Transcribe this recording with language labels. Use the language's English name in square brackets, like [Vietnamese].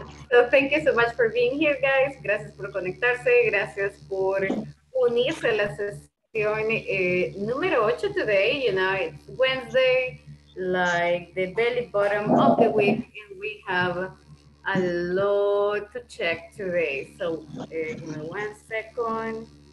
[English] So thank you so much for being here, guys. [Spanish] Gracias por conectarse. Gracias por unirse a la sesión número 8 today. [English] You know, it's Wednesday, like the belly bottom of the week, and we have a lot to check today. So give me one second.